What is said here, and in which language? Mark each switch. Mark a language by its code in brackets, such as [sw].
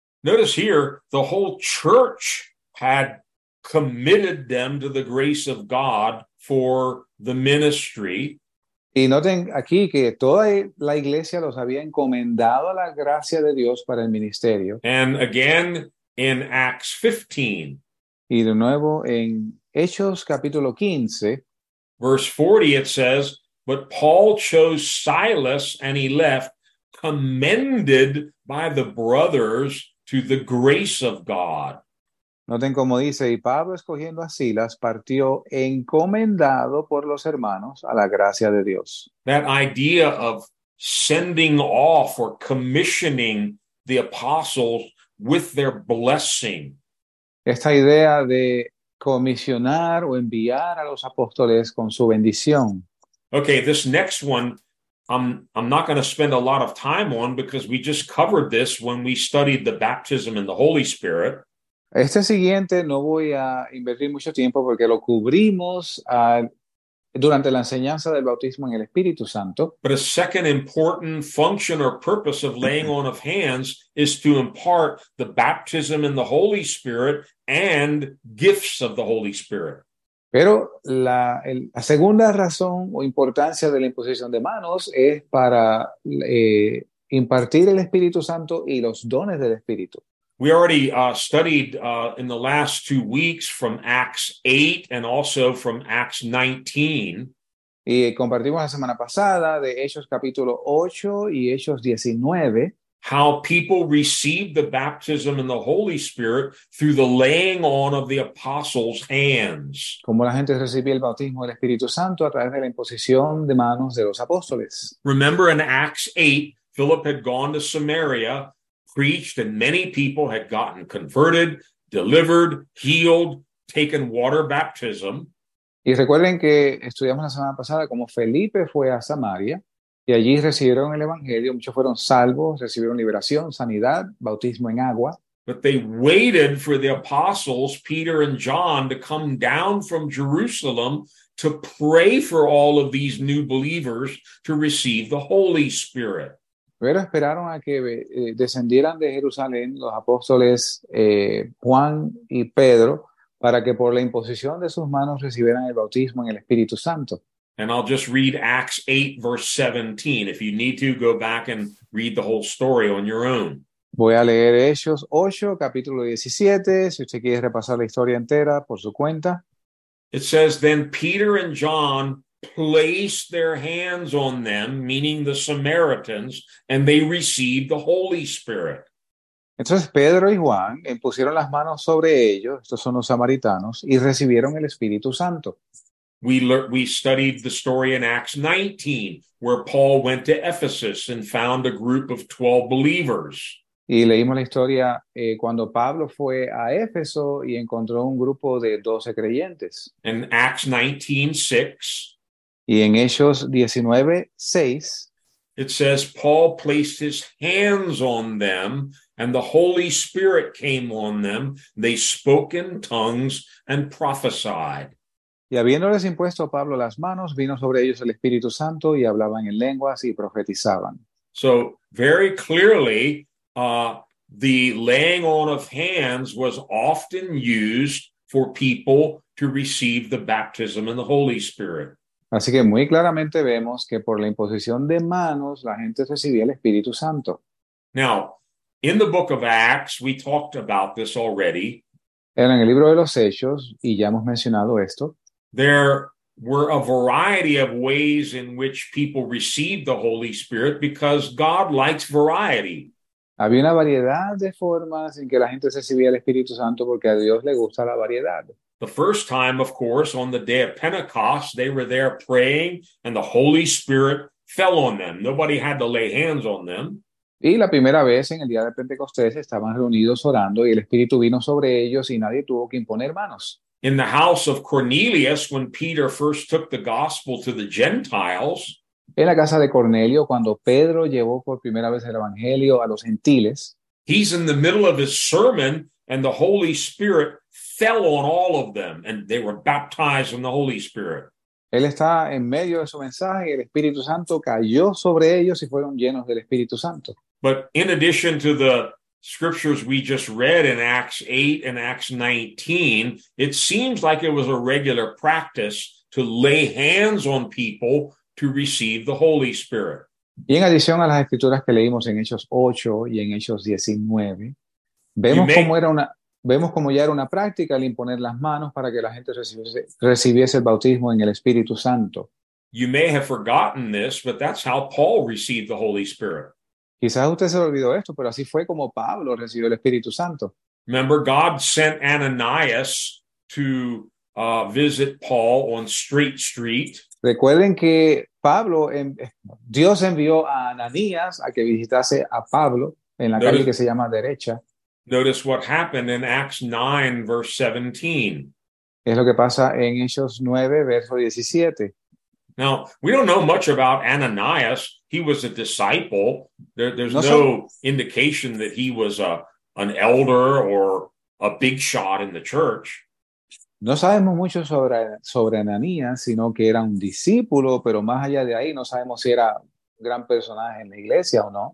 [en] Notice here, the whole church had committed them to the grace of God for the ministry. [es] Y noten aquí que toda la iglesia los había encomendado a la gracia de Dios para el ministerio. [en] And again, in Acts 15. [es] Y de nuevo en Hechos capítulo 15. [en] Verse 40, it says, but Paul chose Silas and he left, commended by the brothers to the grace of God. [es] Noten como dice, y Pablo escogiendo a Silas partió encomendado por los hermanos a la gracia de Dios. [en] That idea of sending off or commissioning the apostles with their blessing. [es] Esta idea de comisionar o enviar a los apóstoles con su bendición. [en] Okay, this next one I'm not going to spend a lot of time on because we just covered this when we studied the baptism in the Holy Spirit. [es] Este siguiente no voy a invertir mucho tiempo porque lo cubrimos durante la enseñanza del bautismo en el Espíritu Santo. [en] But a second important function or purpose of laying on of hands is to impart the baptism in the Holy Spirit and gifts of the Holy Spirit. [es] Pero la segunda razón o importancia de la imposición de manos es para impartir el Espíritu Santo y los dones del Espíritu. [en] We already studied in the last 2 weeks from Acts 8 and also from Acts 19. [es] Y compartimos la semana pasada de Hechos capítulo 8 y Hechos 19. [en] How people received the baptism in the Holy Spirit through the laying on of the apostles' hands. [es] Como la gente recibía el bautismo del Espíritu Santo a través de la imposición de manos de los apóstoles. [en] Remember in Acts 8, Philip had gone to Samaria, preached, and many people had gotten converted, delivered, healed, taken water baptism. [es] Y recuerden que estudiamos la semana pasada cómo Felipe fue a Samaria. Y allí recibieron el evangelio, muchos fueron salvos, recibieron liberación, sanidad, bautismo en agua. [en] But they waited for the apostles Peter and John to come down from Jerusalem to pray for all of these new believers to receive the Holy Spirit. [es] Pero esperaron a que descendieran de Jerusalén los apóstoles Juan y Pedro para que por la imposición de sus manos recibieran el bautismo en el Espíritu Santo. [en] And I'll just read Acts 8, verse 17. If you need to, go back and read the whole story on your own. [es] Voy a leer Hechos 8, capítulo 17, si usted quiere repasar la historia entera por su cuenta. [en] It says, then Peter and John placed their hands on them, meaning the Samaritans, and they received the Holy Spirit. [es] Entonces Pedro y Juan impusieron las manos sobre ellos, estos son los samaritanos, y recibieron el Espíritu Santo. [en] We studied the story in Acts 19, where Paul went to Ephesus and found a group of 12 believers. [es] Y leímos la historia cuando Pablo fue a Éfeso y encontró un grupo de 12 creyentes. [en] In Acts 19:6, [es] y en Hechos 19:6, [en] it says Paul placed his hands on them and the Holy Spirit came on them. They spoke in tongues and prophesied. [es] Y habiéndoles impuesto Pablo las manos, vino sobre ellos el Espíritu Santo y hablaban en lenguas y profetizaban. [en] So, very clearly, the laying on of hands was often used for people to receive the baptism in the Holy Spirit. [es] Así que muy claramente vemos que por la imposición de manos la gente recibía el Espíritu Santo. [en] Now, in the book of Acts, we talked about this already. [es] En el libro de los Hechos, y ya hemos mencionado esto, [en] there were a variety of ways in which people received the Holy Spirit because God likes variety. [es] Había una variedad de formas en que la gente recibía el Espíritu Santo porque a Dios le gusta la variedad. [en] The first time, of course, on the day of Pentecost, they were there praying and the Holy Spirit fell on them. Nobody had to lay hands on them. [es] Y la primera vez en el día de Pentecostés estaban reunidos orando y el Espíritu vino sobre ellos y nadie tuvo que imponer manos. [en] In the house of Cornelius, when Peter first took the gospel to the Gentiles, [es] en la casa de Cornelio, cuando Pedro llevó por primera vez el Evangelio a los gentiles, [en] he's in the middle of his sermon and the Holy Spirit fell on all of them and they were baptized in the Holy Spirit. [es] Él está en medio de su mensaje y el Espíritu Santo cayó sobre ellos y fueron llenos del Espíritu Santo. [en] But in addition to the scriptures we just read in Acts 8 and Acts 19, it seems like it was a regular practice to lay hands on people to receive the Holy Spirit. [es] Y en adición a las escrituras que leímos en Hechos 8 y en Hechos 19, vemos cómo ya era una práctica el imponer las manos para que la gente recibiese el bautismo en el Espíritu Santo. [en] You may have forgotten this, but that's how Paul received the Holy Spirit. [es] Quizás usted se olvidó esto, pero así fue como Pablo recibió el Espíritu Santo. [en] Remember, God sent Ananias to visit Paul on Street Street. [es] Recuerden que Pablo, Dios envió a Ananías a que visitase a Pablo en la calle que se llama Derecha. [en] Notice what happened in Acts 9, verse 17. [es] Es lo que pasa en Hechos 9, verso 17. [en] Now, we don't know much about Ananias. He was a disciple. There's no indication that he was an elder or a big shot in the church. [es] No sabemos mucho sobre Ananías, sino que era un discípulo, pero más allá de ahí no sabemos si era un gran personaje en la iglesia o no.